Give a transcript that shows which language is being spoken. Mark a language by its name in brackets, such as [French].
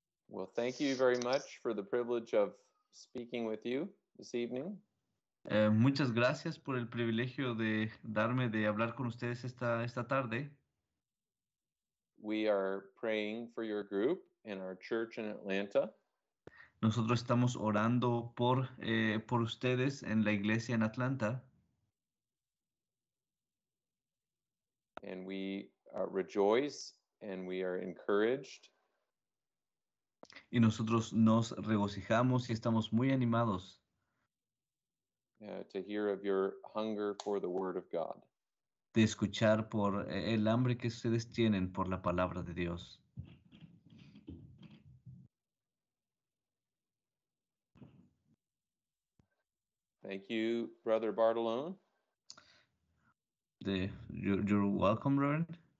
[English] Well, thank you very much for the privilege of speaking with you this evening. [Spanish] Muchas gracias por el privilegio de darme de hablar con ustedes esta tarde. [English] We are praying for your group. In our church in Atlanta. [Spanish] Nosotros estamos orando por ustedes en la iglesia en Atlanta. [English] And we rejoice and we are encouraged. [Spanish] Y nosotros nos regocijamos y estamos muy animados. [English] To hear of your hunger for the word of God. [Spanish] De escuchar por el hambre que ustedes tienen por la palabra de Dios. [English] Thank you, Brother Bartolone. You're welcome, Reverend.